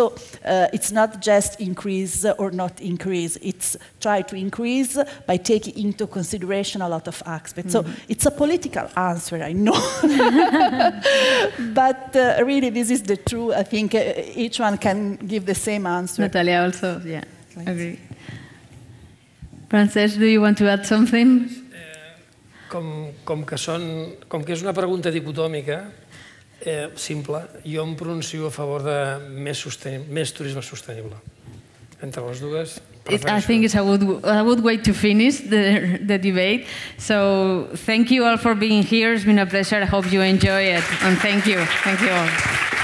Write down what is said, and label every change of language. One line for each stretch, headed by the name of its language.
English: So it's not just increase or not increase, it's try to increase by taking into consideration a lot of aspects. Mm-hmm. So it's a political answer, I know. But really, this is the true, I think each one can give the same answer. Natalia also, yeah, agree. Frances, do you want to add something?
Catalan: com que és una pregunta dicotòmica, simple, jo em pronuncio a favor de més turisme sostenible. Entre les dues.
English: It, I think it's a good way to finish the debate. So thank you all for being here. It's been a pleasure. I hope you enjoy it. And thank you. Thank you all.